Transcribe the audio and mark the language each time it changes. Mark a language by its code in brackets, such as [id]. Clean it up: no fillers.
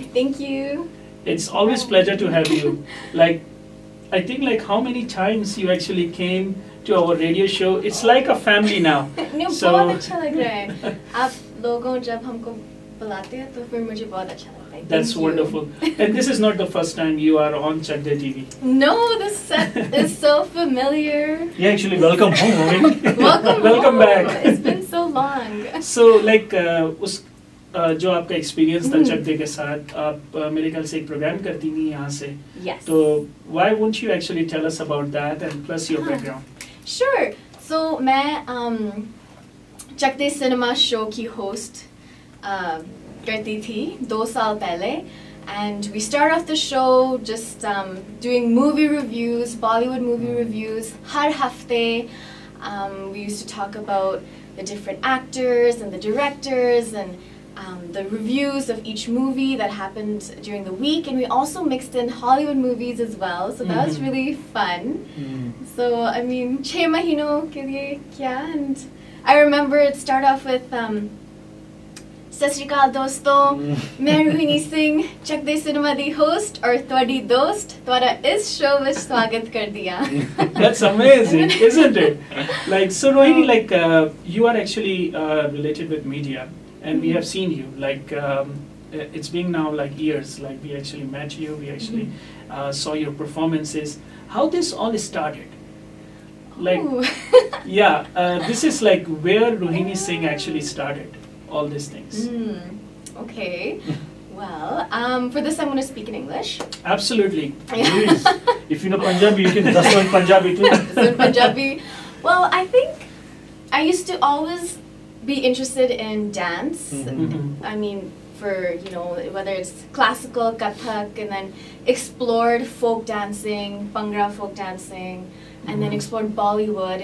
[en] Thank you, it's always pleasure to have you. Like I think like how many times you actually came to our radio show, it's like a family now. [hi] सो बहुत अच्छा लग रहा है, आप लोगों जब हमको बुलाते हैं तो फिर मुझे बहुत अच्छा। [en] That's wonderful. And this is not the first time you are on Chakde TV. No, this set is so familiar. Yeah, actually, welcome home. welcome back. It's been so long. [hi] So, like, us, जो आपका experience था Chakde के साथ, आप मेरे ख्याल से एक program करती थी यहाँ से. [en] Yes. So, why won't you actually tell us about that and plus your background? Sure. [hi] So, मैं Chakde Cinema Show की host. करती थी 2 साल पहले [en] And we start off the show just doing movie reviews, Bollywood movie reviews हर हफ्ते। We used to talk about the different actors and the directors and the reviews of each movie that happened during the week and we also mixed in Hollywood movies as well, so that was really fun. So I mean [hi] 6 महीनों के लिए क्या, [en] and I remember it start off with [pa] ਸਤਿ ਸ਼੍ਰੀ ਅਕਾਲ ਦੋਸਤੋ, ਮੈਂ ਰੋਹਿਣੀ ਸਿੰਘ ਚੱਕਦੇ cinema ਦੀ host ਔਰ ਤੁਹਾਡੀ ਦੋਸਤ, ਤੁਹਾਡਾ ਇਸ ਸ਼ੋਅ ਵਿੱਚ ਸਵਾਗਤ ਕਰਦੀ ਆ। [en] That's amazing, isn't it? Like so Rohini, like you are actually related with media and we have seen you, like it's been now like years, like we actually met you, we actually saw your performances, how this all started? Like yeah, this is like where Rohini Singh actually started all these things. Okay. Well, for this I'm going to speak in English. Absolutely. If you know Punjabi, you can just learn Punjabi too. Punjabi. Well, I think I used to always be interested in dance. Mm-hmm. I mean, for, you know, whether it's classical, Kathak, and then explored folk dancing, Bhangra folk dancing, and then explored Bollywood.